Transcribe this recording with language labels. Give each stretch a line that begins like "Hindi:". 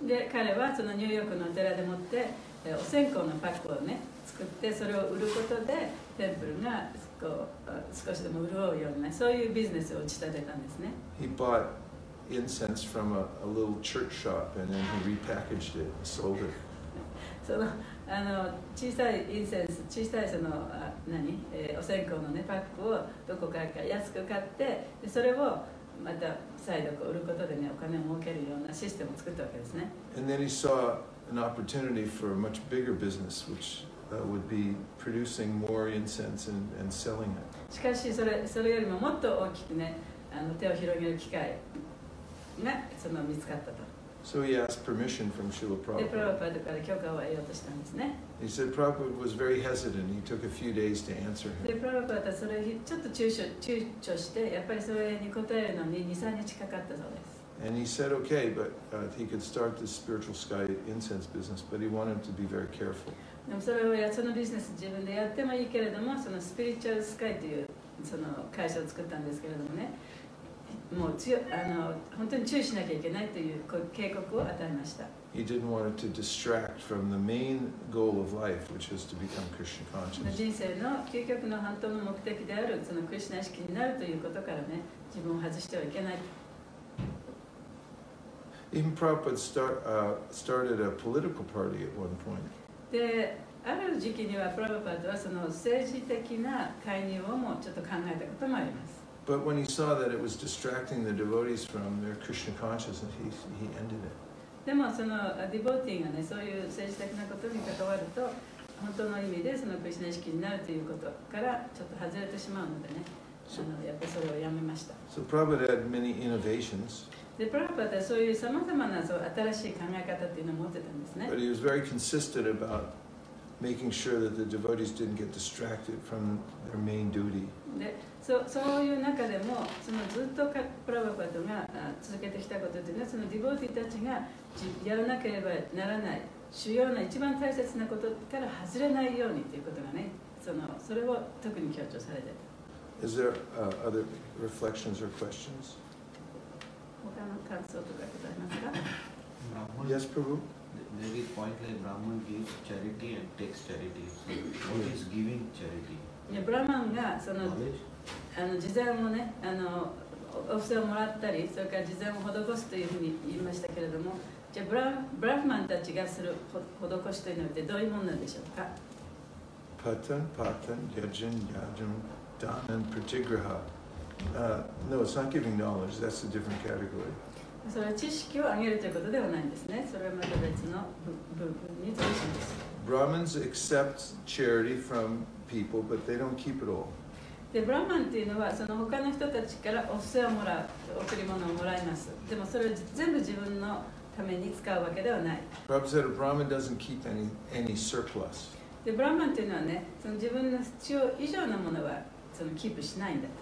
Japanese: で、彼はそのニューヨークのお寺でもって、お線香のパックをね、作って、それを売ることで、テンプルがこう少しでも潤うような、そういうビジネスを打ち立てたんですね。
English: He bought incense from a little church shop and then he repackaged it and sold it.
Japanese: その、あの、小さいインセンス、小さいその、あ、何？お線香のね、パックをどこかか安く買って、で、それをまた再度こう売ることでね、お金を儲けるようなシステムを作ったわけですね。
English: And then he saw an opportunity for a much bigger business, which would be producing more incense and selling it.
Japanese: しかし、それよりももっと大きくね、あの、手を広げる機会がその見つかったと。
English: So he asked permission from Srila Prabhupada.
Japanese: で、プラバドから許可を得ようとしたんですね。
English: He said Prabhupada was very hesitant. He took a few days to answer him.
Japanese: で、プラバドはそれちょっと躊躇して、やっぱりそれに答えるのに2、3日かかったそうです。
English: And he said okay, but he could start the spiritual sky incense business, but he wanted to be very careful.
Japanese: でもそれをやそのビジネス自分でやってもいいけれども、そのスピリチュアルスカイというその会社を作ったんですけれどもね。もう強あの本当に注意しなきゃいけないという警告を与えました。
English: He didn't want to distract from the main goal of life, which is to become Krishna conscious.
Japanese: 人生の究極の本当の目的であるそのクリシュナ意識になるということからね、自分を外してはいけない。
English: Even Prabhupada started a political party at one point.
Japanese: で、ある時期にはプラヴァパダはその政治的な介入をもちょっと考えたこともあります。
English: But when he saw that it was distracting the devotees from their Krishna consciousness, he ended it.
Japanese: でもそのディボティがね、そういう政治的なことに関わると、本当の意味でそのクリシュナ意識になるということからちょっと外れてしまうのでね、あのやっぱりそれをやめました。
English: So Prabhupada had many innovations.
Japanese: で、プラヴァパダはそういうさまざまなそう新しい考え方っていうのを持ってたんですね。
English: But he was very consistent about making sure that the devotees didn't get distracted from their main duty.
Japanese: で、そういう中でも、そのずっとプラヴァパダが続けてきたことというのは、そのディボーティーたちがやらなければならない主要な一番大切なことから外れないようにということがね、それを特に強調されていた。
English: Is there other reflections or questions?
Japanese: 他の感想とかございますか？
English: Yes, Prabhu? There is a point like Brahman gives charity and takes charity. So what is giving charity?
Japanese: Yeah, Brahman がその、あの、慈善をね、あの、お布施をもらったり、それから慈善を施すというふうに言いましたけれども、じゃあブラフマンたちがする施しというのってどういうものなんでしょうか？
Sanskrit: パタン、パタン、ヤジン、ヤジン、ダン、プチグラハ。
English: No, it's not giving knowledge. That's a different category.
Japanese: それは知識を上げるということではないんですね。それはまた別の部分に属します。
English: Brahmins accept charity from people, but they don't keep it all.
Japanese: で、ブラマンというのはその他の人たちからお布施をもらう、贈り物をもらいます。でもそれを全部自分のために使うわけではない。
English: Prabhupada said a Brahmin doesn't keep any surplus.
Japanese: で、ブラマンというのはね、その自分の必要以上のものはそのキープしないんだ。